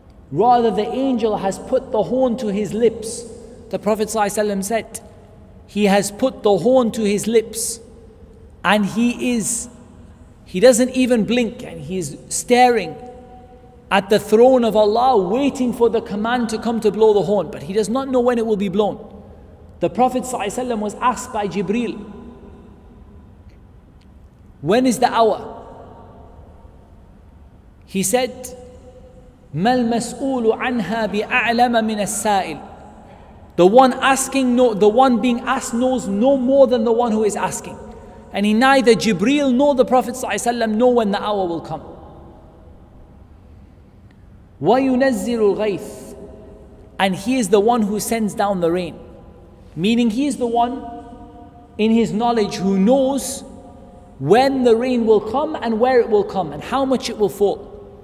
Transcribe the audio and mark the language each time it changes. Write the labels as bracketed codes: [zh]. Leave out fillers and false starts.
[en] Rather, the angel has put the horn to his lips. The Prophet ﷺ said, he has put the horn to his lips and he doesn't even blink, and he is staring at the throne of Allah, waiting for the command to come to blow the horn, but he does not know when it will be blown. The Prophet ﷺ was asked by Jibreel, when is the hour? He said, [ar] مَالْ مَسْؤُولُ عَنْهَا بِأَعْلَمَ مِنَ السَّائِلِ. [en] The one asking, the one being asked knows no more than the one who is asking. And he, neither Jibreel nor the Prophet ﷺ know when the hour will come. [ar] وَيُنَزِّلُ الْغَيْثِ. [en] And He is the one who sends down the rain. Meaning He is the one in His knowledge who knows when the rain will come and where it will come and how much it will fall.